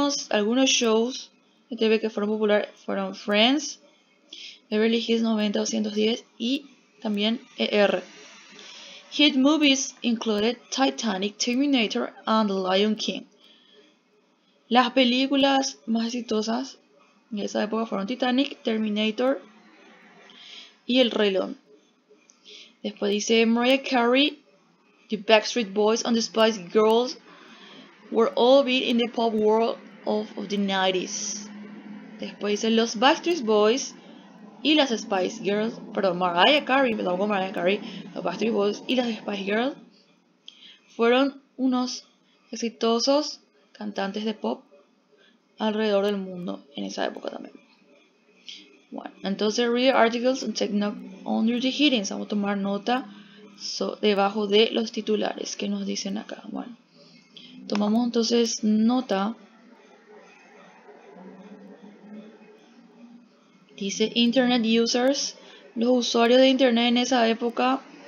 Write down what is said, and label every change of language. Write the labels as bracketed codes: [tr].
[es] Algunos shows de TV que fueron popular fueron Friends, Beverly Hills 90210 y también ER. [en] Hit movies included Titanic, Terminator and The Lion King. [es] Las películas más exitosas de esa época fueron Titanic, Terminator y El Rey León. Después dice [en] Mariah Carey, The Backstreet Boys and The Spice Girls were all big in the pop world of the 90s. [es] Después dice Los Backstreet Boys y las Spice Girls, perdón, Mariah Carey, me lo hago Mariah Carey, Los Backstreet Boys y las Spice Girls fueron unos exitosos cantantes de pop alrededor del mundo en esa época también. Bueno, entonces, [en] read articles and take note under the headings. [es] Vamos a tomar nota debajo de los titulares que nos dicen acá. Bueno, tomamos entonces nota. Dice [en] Internet users, [es] los usuarios de Internet en esa época.